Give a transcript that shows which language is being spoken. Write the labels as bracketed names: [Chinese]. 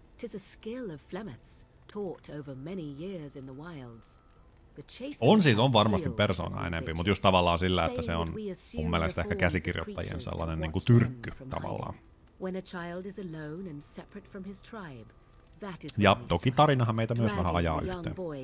[English] Tis a skill of Flemeth's, taught over many years in the wilds. [Finnish] On varmasti persoona enempi, mutta just tavallaan sillä, että se on mun mielestä ehkä käsikirjoittajien sellainen niin kuin tyrkky tavallaan. [English] When a child is alone and separate from his tribe, [Finnish] Ja toki tarinahan meitä myös vähän ajaa yhteen.